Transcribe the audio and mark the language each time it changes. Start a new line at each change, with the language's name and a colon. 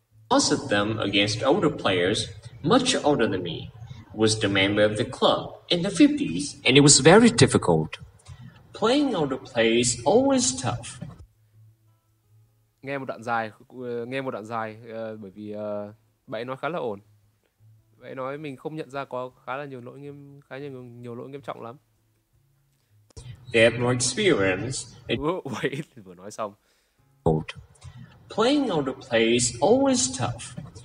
English: Most of them against older players, much older than me, was the member of the club in the 50s, and it was very difficult. Playing older players always tough.
Vietnamese: Nghe một đoạn dài bởi vì bạn nói khá là ổn. Bạn nói mình không nhận ra có khá nhiều lỗi nghiêm trọng lắm.
English: They have more experience.
Vietnamese: Wait, vừa nói xong.
English: Playing older players always tough.